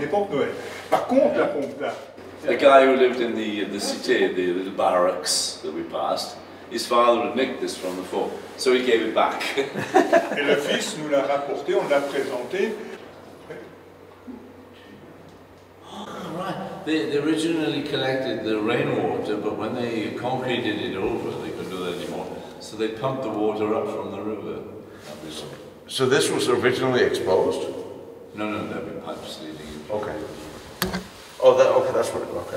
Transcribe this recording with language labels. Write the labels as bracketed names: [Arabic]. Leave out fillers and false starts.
[English] The guy who lived in the city, the little barracks that we passed, his father had nicked this from the fort, so he gave it back. [French] Et le fils nous l'a rapporté, on l'a présenté. [English] Right. They originally collected the rainwater, but when they concreted it over, they couldn't do that anymore. So they pumped the water up from the river. So this was originally exposed? No, there were pipes leading in. Okay. Oh, that's what it was. Okay.